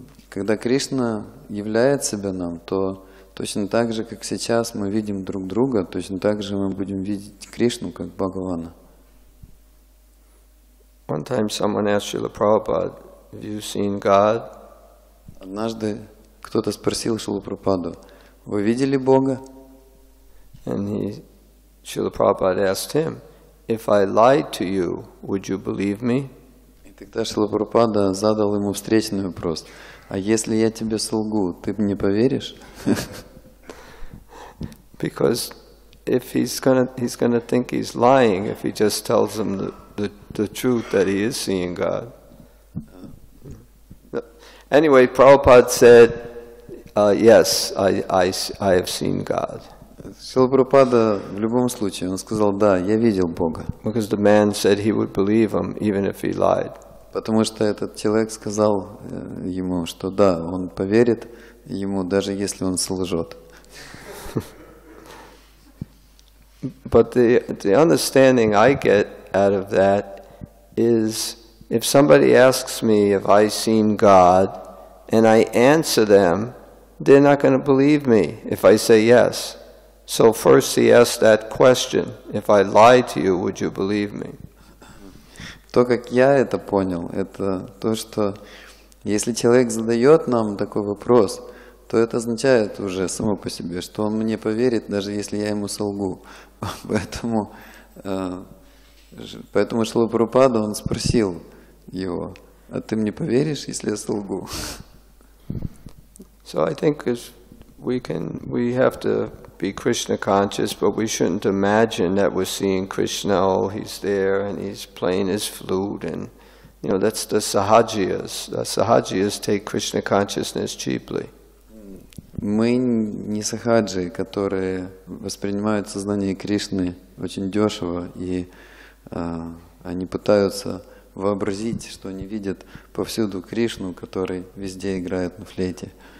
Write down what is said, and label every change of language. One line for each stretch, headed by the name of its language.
Russian: Когда Кришна являет себя нам, то точно так же, как сейчас мы видим друг друга, точно так же мы будем видеть Кришну как Бхагавана.
English: One time someone asked Srila Prabhupada, have you seen God?
Russian: Однажды кто-то спросил Шрилу Прабхупаду, вы видели Бога?
English: And Srila Prabhupada asked him, if I lied to you, would you believe me?
Russian: И тогда Шрила Прабхупада задал ему встречный вопрос, а если я тебе солгу, ты мне поверишь?
English: Because if he's gonna think he's lying, if he just tells him the the truth that he is seeing God. Anyway, Prabhupada said, yes, I have seen God.
Russian: Шрила Прабхупада в любом случае, он сказал, да, я видел Бога.
English: Because the man said he would believe him, even if he lied.
Russian: Потому что этот человек сказал ему, что да, он поверит ему, даже если он солжет.
English: But the understanding I get out of that is, if somebody asks me if I seen God, and I answer them, they're not going to believe me if I say yes. So first he asked that question, if I lie to you, would you believe me?
Russian: То, как я это понял, это то, что если человек задает нам такой вопрос, то это означает уже само по себе, что он мне поверит, даже если я ему солгу. Поэтому Шрила Прабхупада, он спросил его, а ты мне поверишь, если я солгу?
English: So I think we have to be Krishna conscious, but we shouldn't imagine that we're seeing Krishna, oh, he's there and he's playing his flute, and you know, that's the sahajiyas. The sahajiyas take Krishna consciousness cheaply.
Russian: Мы не сахаджи, которые воспринимают сознание Кришны очень дешево, и они пытаются вообразить, что они видят повсюду Кришну, который везде играет на флейте.